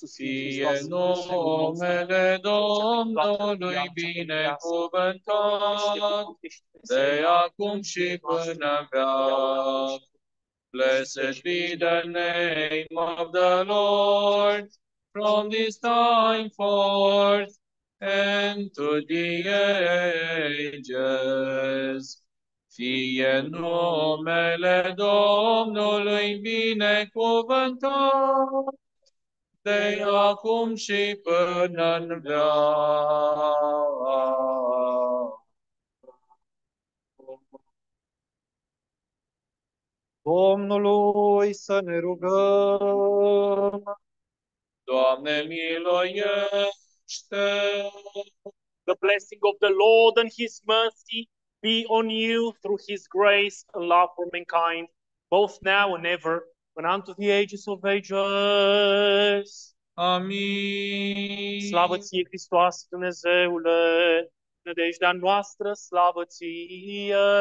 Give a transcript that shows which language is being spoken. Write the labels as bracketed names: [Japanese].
[Romanian] Fie numele Domnului binecuvântat, de acum și până veac. [English] Blessed be the name of the Lord, from this time forth, and to the ages. [Romanian] Fie numele Domnului binecuvântat, de acum și până în veac. Domnului să ne rugăm. Doamne miloiește. [English] The blessing of the Lord and his mercy be on you through his grace and love for mankind, both now and ever, and unto the ages of ages. [Romanian] Amin. Slavă ție, Hristoase, Dumnezeule, nădejdea noastră, slavă ție.